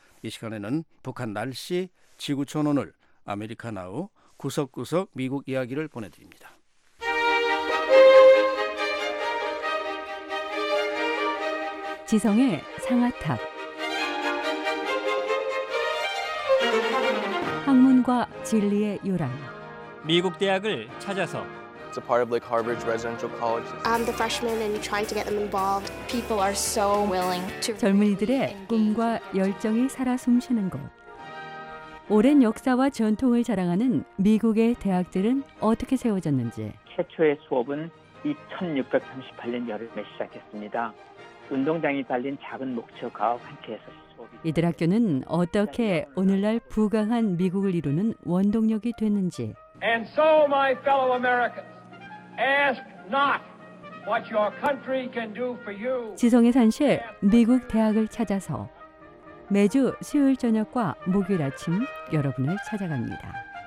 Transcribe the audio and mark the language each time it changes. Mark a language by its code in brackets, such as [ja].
[ko] 이 시간에는 북한 날씨, 지구촌 오늘, 아메리카 나우, 구석구석 미국 이야기를 보내드립니다. 지성의 상아탑 학문과 진리의 요람 미국 대학을 찾아서 [en] It's a part of Lake Harbor's residential college. I'm the freshman and trying to get them involved. People are so willing to [ko] 젊은이들의 꿈과 열정이 살아 숨쉬는 곳. 오랜 역사와 전통을 자랑하는 미국의 대학들은 어떻게 세워졌는지. 최초의 수업은 1638년 여름에 시작했습니다. 운동장이 달린 작은 목초가 함께해서 이들 학교는 어떻게 오늘날 부강한 미국을 이루는 원동력이 됐는지 [en] And so my fellow Americans, ask not what your country can do for you. [ko] 지성의 산실 미국 대학을 찾아서 매주 수요일 저녁과 목요일 아침 여러분을 찾아갑니다.